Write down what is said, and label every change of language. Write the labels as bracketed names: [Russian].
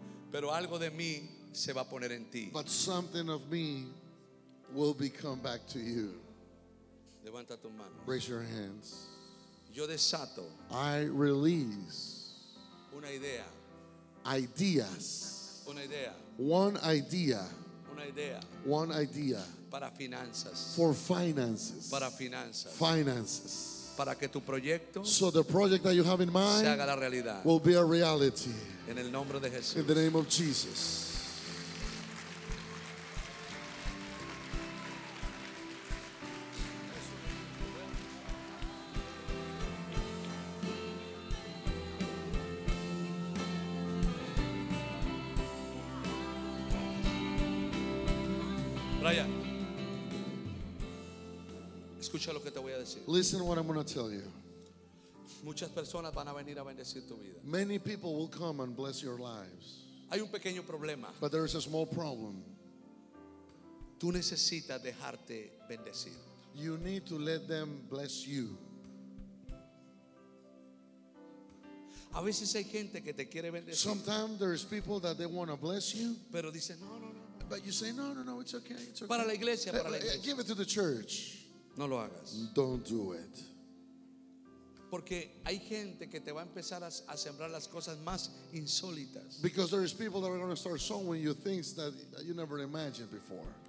[Spanish] Pero algo de mí se va a poner en ti. [English] But something of me will become back to you. [Spanish] Levanta tu mano. [English] Raise your hands. [Spanish] Yo desato. [English] I release. [Spanish] Una idea. [English] Ideas. [Spanish] Una idea. [English] One idea. [Spanish] Una idea. [English] One idea. [Spanish] Para finanzas. [English] For finances. [Spanish] Para finanzas. [English] Finances. [Spanish] Para que tu proyecto, [English] so the project that you have in mind, [Spanish] se haga la realidad, [English] will be a reality. [Spanish] En el nombre de Jesús. [English] In the name of Jesus. [Spanish] Brian, escucha lo que te voy a decir. [English] Listen to what I'm going to tell you. [Spanish] Muchas personas van a venir a bendecir tu vida. [English] Many people will come and bless your lives. [Spanish] Hay un pequeño problema. [English] But there is a small problem. [Spanish] Tú necesitas dejarte bendecir. [English] You need to let them bless you. [Spanish] A veces hay gente que te quiere bendecir. [English] Sometimes there is people that they want to bless you. [Spanish] Pero dicen, no, no, no. [English] But you say, no, it's okay, it's okay. [Spanish] Para la iglesia, para la iglesia. [English] Give it to the church. [Spanish] No lo hagas. [English] Don't do it. [Spanish] Porque hay gente que te va a empezar a sembrar las cosas más insólitas. [English] Because there is people that are going to start sowing you things that you never imagined before.